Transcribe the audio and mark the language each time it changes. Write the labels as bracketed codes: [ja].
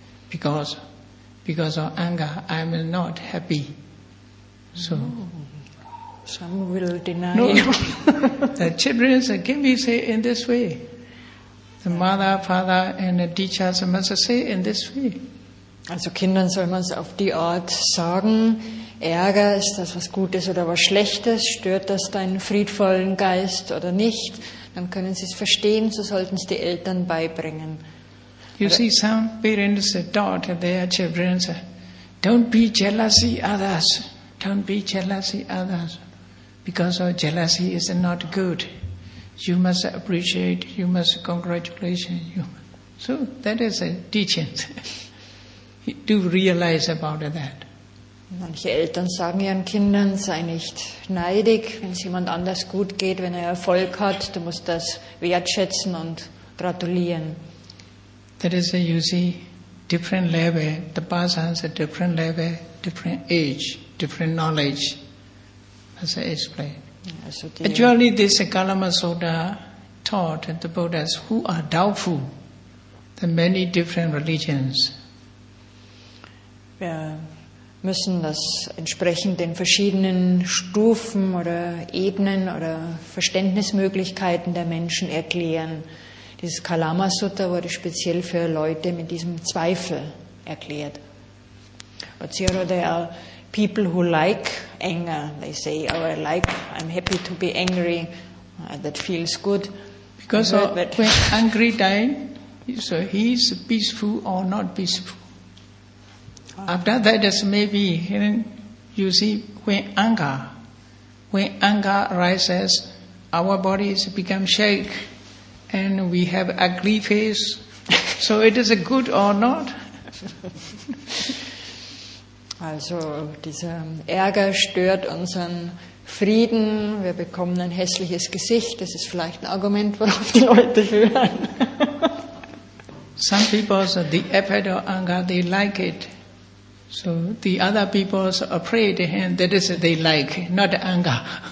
[en] Because of anger, I am not happy. So, some will deny. No. The children can be say in this way. The mother, father and the teachers must say in this way. [de] Also Kindern soll man es auf die Art sagen, Ärger, ist das was Gutes oder was Schlechtes? Stört das deinen friedvollen Geist oder nicht? Dann können sie es verstehen, so sollten es die Eltern beibringen. [en] You see, some parents taught their children, don't be jealousy others. Don't be jealousy others. Because of jealousy is not good. You must appreciate, you must congratulate you. So that is a teaching. Do realize about that. [de] Manche Eltern sagen ihren Kindern, sei nicht neidig, wenn es jemand anders gut geht, wenn er Erfolg hat, du musst das wertschätzen und gratulieren. [en] That is, you see, different level, the person has a different level, different age, different knowledge, as I explained. Actually, this Kalama Sutta taught the Buddhas who are doubtful, the many different religions. [de] Wir müssen das entsprechend den verschiedenen Stufen oder Ebenen oder Verständnismöglichkeiten der Menschen erklären. Dieses Kalama Sutta wurde speziell für Leute mit diesem Zweifel erklärt. [en] But here there are people who like anger, they say, oh, I'm happy to be angry, that feels good. Because when angry time, so he is peaceful or not peaceful. After that, as maybe you see, when anger arises, our bodies become shake, and we have ugly face. So it is a good or not? [de] Also dieser Ärger stört unseren Frieden. Wir bekommen ein hässliches Gesicht. Das ist vielleicht ein Argument, worauf die Leute hören. [en] Some people, so the effect of anger, they like it. So the other people are afraid, and that is they like, not anger.